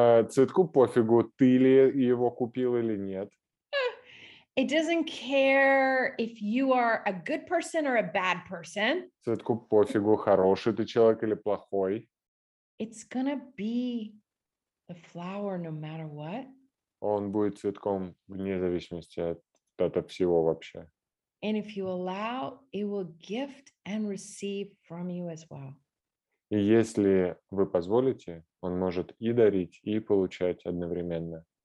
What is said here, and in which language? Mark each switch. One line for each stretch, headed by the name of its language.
Russian: Цветку пофигу, ты ли его купил или нет.
English: It doesn't care if you are a good person or a bad person.
Russian: Цветку пофигу, хороший ты человек или плохой.
English: It's gonna be the flower no matter what.
Russian: Он будет цветком вне зависимости от всего вообще.
English: And if you allow, it will gift and receive from you as well.
Russian: И если вы позволите, он может и дарить, и получать одновременно.